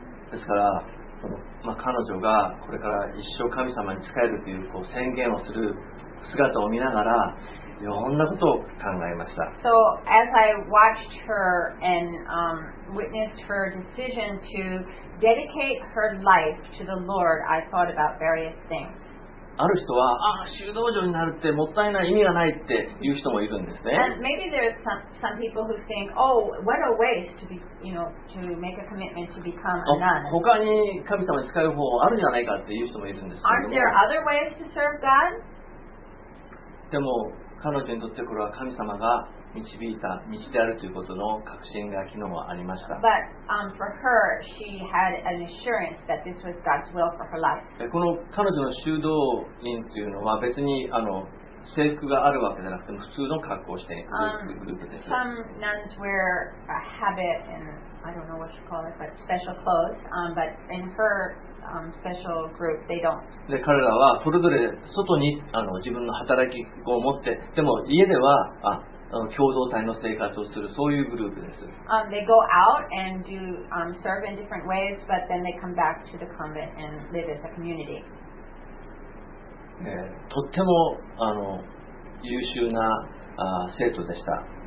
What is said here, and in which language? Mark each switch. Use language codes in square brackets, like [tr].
[ja] ですから、彼女がこれから一生神様に仕えるという宣言をする姿を見ながら。いろんなことを考えました。 [en] So as I watched her and witnessed her decision to dedicate her life to the Lord, I thought about various things. [ja] ある人は、修道女になるってもったいない、意味がないって言う人もいるんですね。 [en] And maybe there's some people who think, oh, what a waste to be, you know, to make a commitment to become a nun. [ja] 他に神様に使う方法あるじゃないかって言う人もいるんですけども。 [en] Aren't there other ways to serve God? [ja] でも彼女にとってこれは神様が導いた道であるということの確信が昨日もありました。 [en] But, for her, she had an assurance that this was God's will for her life. [ja] この彼女の修道院というのは別に制服があるわけではなくて普通の格好をしているグループです。 [en] Some nuns wear a habit and I don't know what you call it, but special clothes. But in her special group, they don't. [ja] で彼らはそれぞれ外に自分の働き子を持って、でも家では共同体の生活をするそういうグループです。 [en] They go out and do, serve in different ways, but then they come back to the convent and live as a community. [ja] とっても優秀な生徒でした。